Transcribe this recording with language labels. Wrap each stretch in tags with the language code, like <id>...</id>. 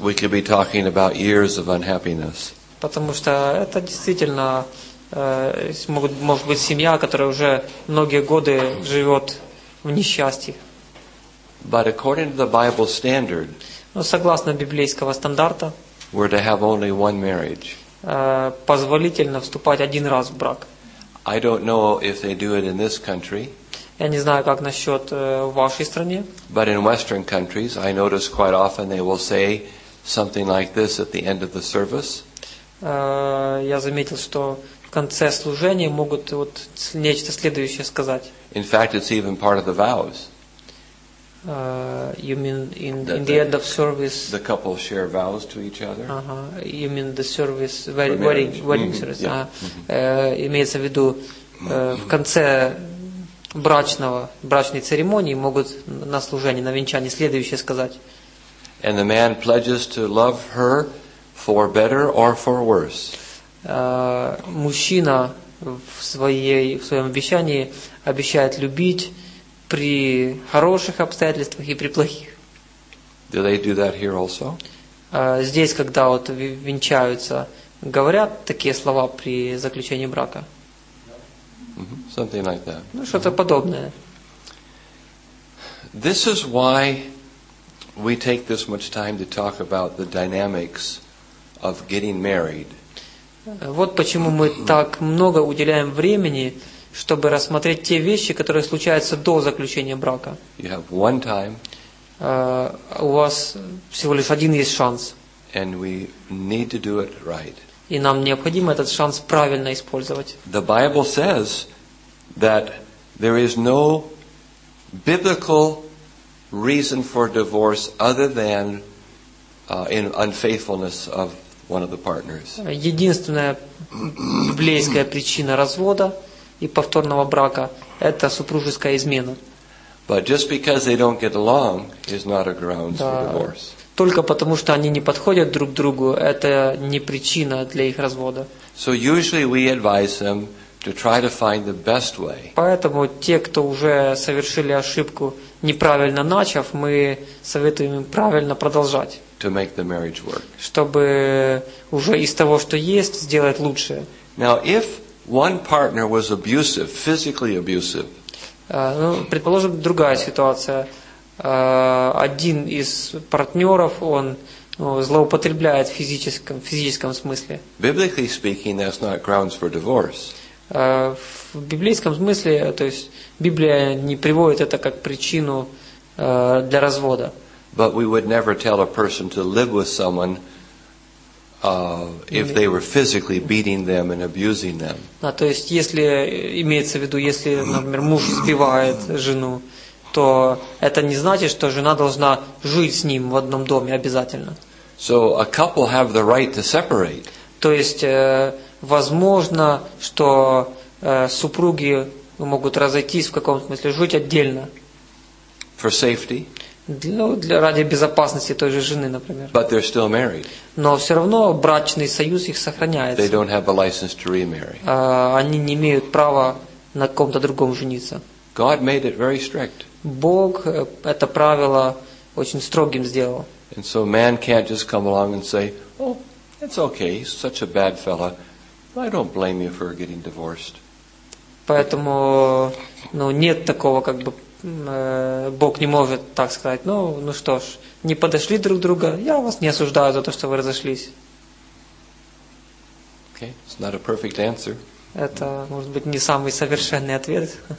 <en>We could be talking about years of unhappiness.</en> <ru>Потому что это действительно может быть семья, которая уже многие годы живет в несчастье.</ru> <en>But according to the Bible standard.</en> <ru>Но согласно библейского стандарта.</ru> <en>We're to have only one marriage.</en> <ru>Позволительно вступать один раз в брак.</ru> <en>I don't know if they do it in this country.</en> <ru>Я не знаю, как насчет в вашей стране.</ru> <en>But in Western countries, I notice quite often they will say something like this at the end of the service.</en> <ru>Я заметил, что в конце служения могут вот нечто следующее сказать.</ru> <en>In fact, it's even part of the vows. You mean in the end of service? The couple share vows to each other. Uh-huh. You mean the service, wedding service? Yeah.</en> <ru>Имеется в виду в конце брачной церемонии могут на служении, на венчании следующее сказать.</ru> <en>And the man pledges to love her for better or for worse.</en> <ru>Мужчина в своем обещании обещает любить при хороших обстоятельствах и при плохих.</ru> <en>Do they do that here also?</en> <ru>Здесь, когда вот венчаются, говорят такие слова при заключении брака?</ru> <en>Mm-hmm. Something like that.</en> <ru>Ну, что-то подобное.</ru> <en>This is why we take this much time to talk about the dynamics of getting married.</en> <ru>Вот почему мы так много уделяем времени, чтобы рассмотреть те вещи, которые случаются до заключения брака.</ru> <en>You have one time.</en> <ru>У вас всего лишь один есть шанс.</ru> <en>And we need to do it right.</en> <ru>И нам необходимо этот шанс правильно использовать.</ru> <en>The Bible says that there is no biblical reason for divorce other than in unfaithfulness of one of the partners.</en> <ru>Единственная библейская причина развода и повторного брака – это супружеская измена.</ru> <en>But just because they don't get along is not a grounds for divorce.</en> <ru>Только потому, что они не подходят друг другу, это не причина для их развода.</ru> <en>So usually we advise them to try to find the best way.</en> <ru>Поэтому те, кто уже совершили ошибку, неправильно начав, мы советуем им правильно продолжать.</ru> <en>To make the marriage work.</en> <ru>Чтобы уже из того, что есть, сделать лучшее.</ru> <en>Now, if one partner was abusive, physically abusive,</en> <ru>ну, предположим, другая ситуация. Один из партнеров, он злоупотребляет в физическом смысле.</ru> <en>Biblically speaking, that's not grounds for divorce.</en> <ru>В библейском смысле, то есть Библия не приводит это как причину для развода.</ru> <en>But we would never tell a person to live with someone if they were physically beating them and abusing them.</en> <ru>А то есть, если имеется в виду, если, например, муж избивает жену, то это не значит, что жена должна жить с ним в одном доме обязательно.</ru> <en>So a couple have the right to separate.</en> <ru>То есть, возможно, что супруги могут разойтись в каком смысле, жить отдельно.</ru> <en>For safety.</en> <ru>Ради безопасности той же жены, например.</ru> <en>But they're still married.</en> <ru>Но все равно брачный союз их сохраняется.</ru> <en>They don't have a license to remarry.</en> <ru>Они не имеют права на ком-то другом жениться.</ru> <en>God made it very strict.</en> <ru>Бог это правило очень строгим сделал.</ru> <en>And so man can't just come along and say, oh, it's okay, he's such a bad fella. I don't blame you for getting divorced.</en> <ru>Поэтому, нет такого, Бог не может так сказать, что ж, не подошли друг друга, я вас не осуждаю за то, что вы разошлись.</ru> <en>Okay, it's not a perfect answer.</en> <ru>Это, может быть, не самый совершенный ответ.</ru>